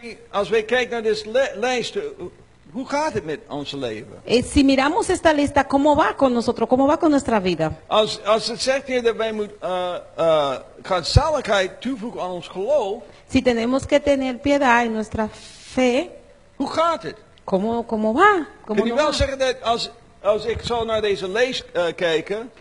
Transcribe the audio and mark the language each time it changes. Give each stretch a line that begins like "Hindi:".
Dutch: Als we kijken naar deze lijst, hoe gaat het met ons leven?
Spanish: Si miramos esta lista, ¿cómo va con nosotros? ¿Cómo va con nuestra vida?
Dutch: Als het zegt hier dat wij moeten godzaligheid toevoegen aan ons geloof.
Spanish: Si tenemos que tener piedad en nuestra fe.
Dutch: Hoe gaat het?
Spanish: ¿Cómo va?
Dutch: Kun je wel zeggen dat als ik zo naar deze lijst kijken.